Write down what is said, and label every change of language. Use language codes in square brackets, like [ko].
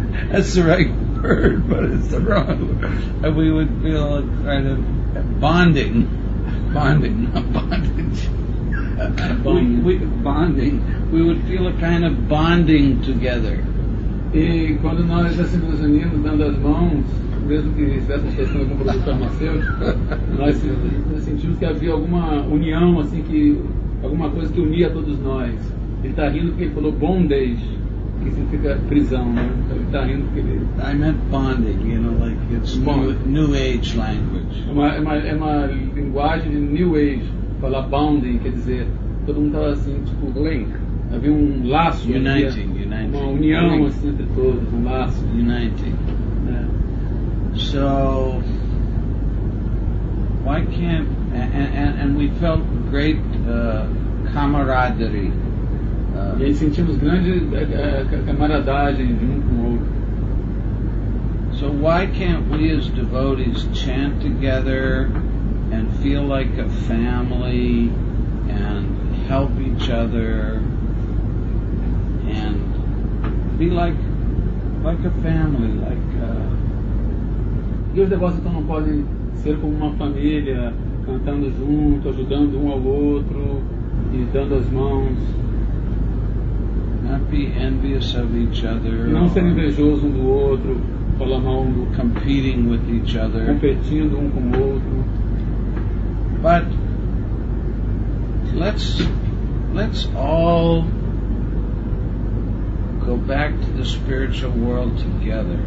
[en] That's the right word, but it's the wrong word. And we would feel a kind of bonding. Bonding. We would feel a kind of bonding together. [pt] E quando nós assim nos unimos dando as mãos, mesmo que estivéssemos testando algum produto farmacêutico, nós sentimos que havia alguma união, assim, que alguma coisa que unia todos nós. Ele está rindo porque ele falou bondage, que significa prisão, né? Então ele está rindo porque ele... [en] I meant bonding, you know, like it's new age language. [pt] É uma linguagem de new age, falar bonding, quer dizer, todo mundo estava assim, tipo, link. Havia um laço. [en] Uniting, [pt] havia, [en] uniting. [pt] Uma união, assim, entre todos, um laço. [en] Uniting. [pt] É. [en] So, why can't... And we felt great camaraderie. [pt] E aí sentimos grande camaradagem de um com o outro. [en] So why can't we as devotees chant together and feel like a family and help each other and be like a family, like [pt] E os devotos então não podem ser como uma família, cantando junto, ajudando um ao outro e dando as mãos. [en] Not be envious of each other. [pt] Não ser invejoso um do outro, falar mal um do outro. [en] Competing with each other. [pt] Competindo um com o outro. [en] But let's all go back to the spiritual world together.